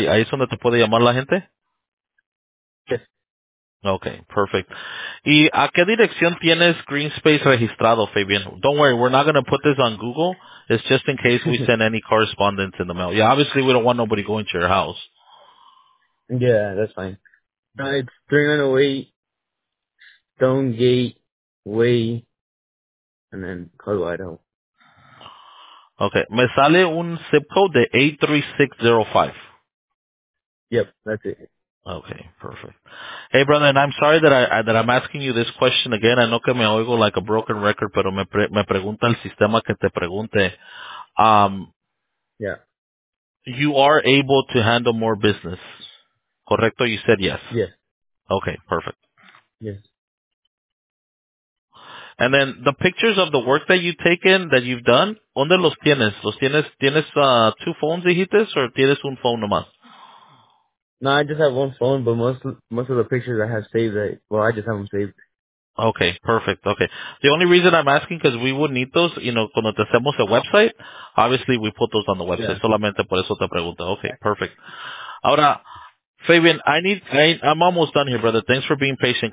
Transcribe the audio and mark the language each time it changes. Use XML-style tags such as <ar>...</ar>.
<es>¿Ahí es donde te puede llamar la gente?</es> <en>Yes. Okay, perfect.</en> <es>¿Y a qué dirección tienes Green Space registrado, Fabian?</es> <en>Don't worry, we're not going to put this on Google. It's just in case we send any correspondence in the mail. Yeah, obviously we don't want nobody going to your house. Yeah, that's fine. It's 308 Stonegate Way and then Colorado.</en> <es>Okay, me sale un zip code de 83605.</es> <en>Yep, that's it. Okay, perfect. Hey, brother, and I'm sorry that I'm asking you this question again. I know</en> <es>que me oigo</es> <en>like a broken record,</en> <es>pero me pregunta el sistema que te pregunte.</es> <en>Yeah. You are able to handle more business,</en> <es>correcto?</es> <en>You said yes. Yes. Okay, perfect. Yes. And then the pictures of the work that you've taken, that you've done,</en> <es>¿dónde los tienes? ¿Los tienes? ¿Tienes</es> <en>two phones,</en> <es>dijites,</es> <en>or</en> <es>tienes un phone nomás?</es> <en>No, I just have one phone, but most of the pictures I have saved, I just have them saved. Okay, perfect. Okay. The only reason I'm asking, because we would need those, you know,</en> <es>cuando te hacemos</es> <en>a website, obviously we put those on the website. Yeah.</en> <es>Solamente por eso te pregunto.</es> <en>Okay, perfect.</en> <es>Ahora,</es> <en>Fabian, I'm almost done here, brother. Thanks for being patient.</en>